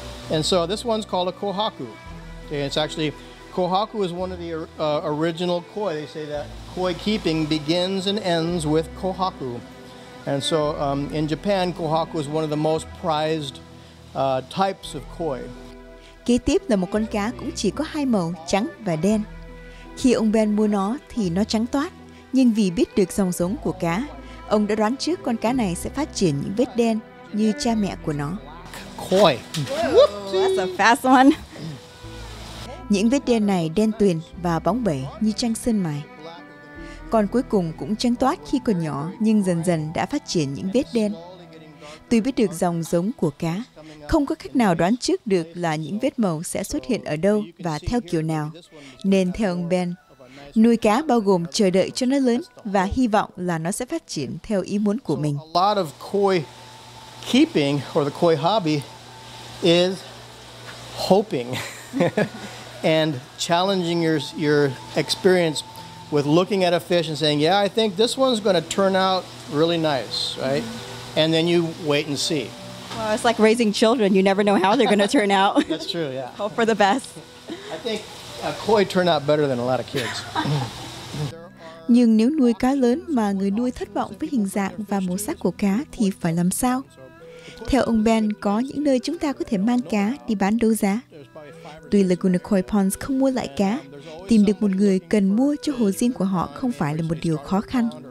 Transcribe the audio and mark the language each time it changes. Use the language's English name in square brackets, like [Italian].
[English] And so this one's called a kohaku. Okay, it's actually, kohaku is one of the original koi. They say that koi keeping begins and ends with kohaku. And so in Japan, kohaku is one of the most prized types of koi. [Vietnamese] Kế tiếp là một con cá cũng chỉ có hai màu, trắng và đen. Khi ông Ben mua nó thì nó trắng toát, nhưng vì biết được dòng giống của cá, ông đã đoán trước con cá này sẽ phát triển những vết đen như cha mẹ của nó. [English] Koi. That's a fast one. [Vietnamese] Những vết đen này đen tuyền và bóng bẩy như tranh sơn mài. Con cuối cùng cũng trắng toát khi còn nhỏ, nhưng dần dần đã phát triển những vết đen. Tuy biết được dòng giống của cá, không có cách nào đoán trước được là những vết màu sẽ xuất hiện ở đâu và theo kiểu nào. Nên theo ông Ben, nuôi cá bao gồm chờ đợi cho nó lớn và hy vọng là nó sẽ phát triển theo ý muốn của mình. [English] A lot of koi keeping or the koi hobby is hoping and challenging your experience with looking at a fish and saying, yeah, I think this one's going to turn out really nice, right? And then you wait and see. Well, it's like raising children. You never know how they're going to turn out. That's true, yeah. Hope for the best. I think a koi turn out better than a lot of kids. [Vietnamese] Nhưng nếu nuôi cá lớn mà người nuôi thất vọng với hình dạng và màu sắc của cá thì phải làm sao? Theo ông Ben, có những nơi chúng ta có thể mang cá đi bán đấu giá. Tuy Laguna Koi Ponds không mua lại cá, tìm được một người cần mua cho hồ riêng của họ không phải là một điều khó khăn.